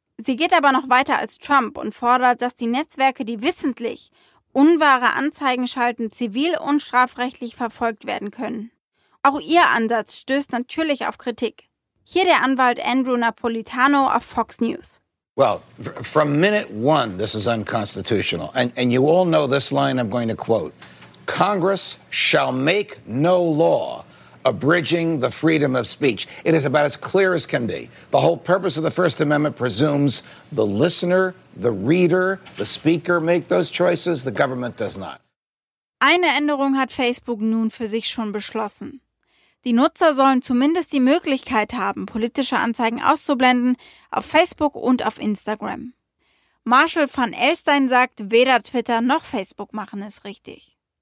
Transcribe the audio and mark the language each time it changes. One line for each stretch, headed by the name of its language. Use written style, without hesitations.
German: Sie geht aber noch weiter als Trump und fordert, dass die Netzwerke, die wissentlich unwahre Anzeigen schalten, zivil- und strafrechtlich verfolgt werden können. Auch ihr Ansatz stößt natürlich auf Kritik. Hier der Anwalt Andrew Napolitano auf Fox News.
English: Well, from minute one, this is unconstitutional. And you all know this line I'm going to quote. Congress shall make no law abridging the freedom of speech. It is about as clear as can be. The whole purpose of the First Amendment presumes the listener, the reader, the speaker make those choices. The government does not.
German: Eine Änderung hat Facebook nun für sich schon beschlossen. Die Nutzer sollen zumindest die Möglichkeit haben, politische Anzeigen auszublenden auf Facebook und auf Instagram. Marshall van Elstein sagt, weder Twitter noch Facebook machen es richtig.